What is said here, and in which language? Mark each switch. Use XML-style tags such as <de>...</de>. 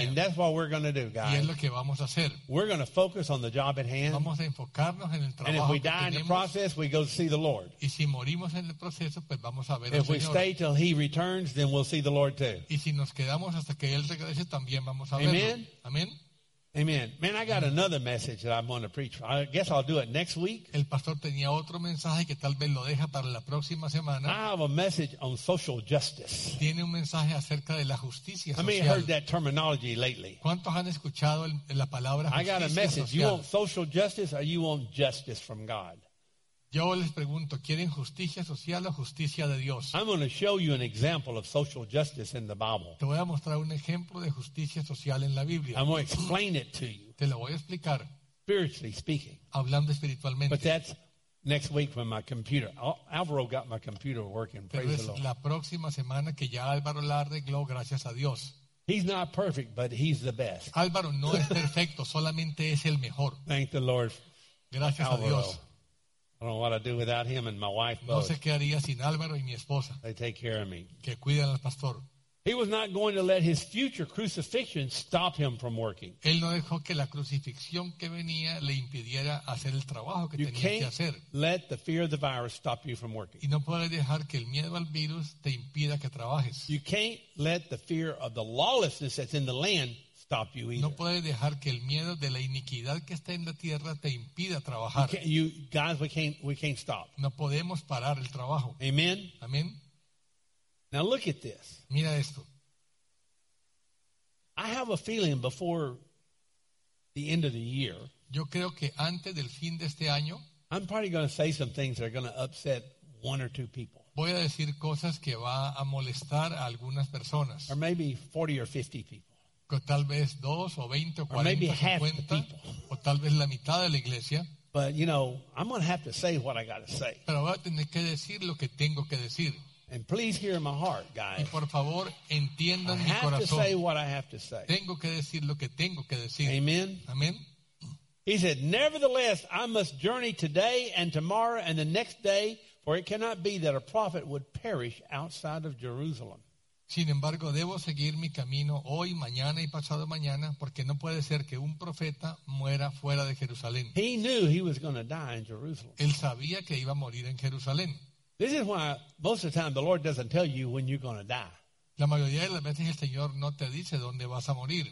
<en>And that's what we're going to do, guys.</en> <es>Y es lo que vamos a hacer.</es> <en>We're going to focus on the job at hand.</en> <es>Vamos a enfocarnos en el trabajo.</es> <en>And if we</en> <es>que</es> <en>die</en> <es>tenemos,</es> <en>in the process, we go to see the Lord.</en> <es>Y si morimos en el proceso, pues vamos a ver</es> <en>if</en> <es>al</es> <en>we</en> <es>Señor.</es> <en>Stay till he returns. Turns, then we'll see the Lord too.</en> <es>Y si nos quedamos hasta que él regrese, también vamos a</es> <en>Amen.</en> <es>Verlo. Amen. Amen.</es> <en>Man, I got another message that I'm going to preach. I guess I'll do it next week.</en> <es>El pastor tenía otro mensaje que tal vez lo deja para la próxima semana.</es> <en>I have a message on social justice.</en> <es>Tiene un mensaje acerca de la justicia social.</es> <en>I mean, I heard that terminology lately.</en> <es>¿Cuántos han escuchado la palabra justicia social?</es> <en>I got a message. Social. You want social justice or you want justice from God?</en> <es>Yo les pregunto, ¿quieren justicia social o justicia de Dios?</es> <en>I'm going to show you an example of social justice in the Bible.</en> <es>Te voy a mostrar un ejemplo de justicia social en la Biblia.</es> <en>I'm going to explain it to you.</en> <es>Te lo voy a explicar.</es> <en>Spiritually speaking.</en> <es>Hablando espiritualmente.</es> <en>But that's next week when my computer, Alvaro got my computer working, praise the Lord.</en> <es>Pero es la próxima semana que ya Álvaro la arregló, gracias a Dios.</es> <en>He's not perfect, but he's the best.</en> <es>Álvaro no es perfecto, solamente es el mejor.</es> <en>Thank the Lord,</en> <es>gracias</es> <en>Alvaro.</en> <es>A Dios.</es> <en>I don't know what I'd do without him and my wife both.</en> <es>No sé qué haría sin Álvaro y mi esposa.</es> <en>They take care of me.</en> <es>Que cuidan al pastor.</es> <en>He was not going to let his future crucifixion stop him from working.</en> <es>Él no dejó que la crucifixión que venía le impidiera hacer el trabajo que</es> <en>you</en> <es>tenía que hacer.</es> <en>You can't let the fear of the virus stop you from working.</en> <es>Y no puedes dejar que el miedo al virus te impida que trabajes.</es> <en>You can't let the fear of the lawlessness that's in the land stop you either.</en> <es>No puedes dejar que el miedo de la iniquidad que está en la tierra te impida trabajar.</es> <en>We can't stop.</en> <es>No podemos parar el trabajo.</es> <en>Amen.</en> <es>Amen.</es> <en>Now look at this.</en> <es>Mira esto.</es> <en>I have a feeling before the end of the year.</en> <es>Yo creo que antes del fin de este año.</es> <en>I'm probably going to say some things that are going to upset one or two people.</en> <es>Voy a decir cosas que va a molestar a algunas personas.</es> <en>Or maybe 40 or 50 people.</en> <es>O tal vez 2 o 20 o 40 o 50 o tal vez la mitad de la iglesia.</es> <en>But you know, I'm going to have to say what I got to say.</en> <es>Pero voy a tener que decir lo que tengo que decir.</es> <en>And please hear my heart, guys.</en> <es>Y por favor, entiendan mi corazón.</es> <en>I have to say what I have to say.</en> <es>Tengo que decir lo que tengo que decir.</es> <en>Amen. Amen. He said, "Nevertheless, I must journey today and tomorrow and the next day, for it cannot be that a prophet would perish outside of Jerusalem."</en> <es>Sin embargo, debo seguir mi camino hoy, mañana y pasado mañana, porque no puede ser que un profeta muera fuera de Jerusalén.</es> <en>He knew he was going to die in Jerusalem.</en> <es>Él sabía que iba a morir en Jerusalén.</es> <en>This is why most of the time the Lord doesn't tell you when you're going to die.</en> <es>La mayoría de las veces el Señor no te dice dónde vas a morir.</es>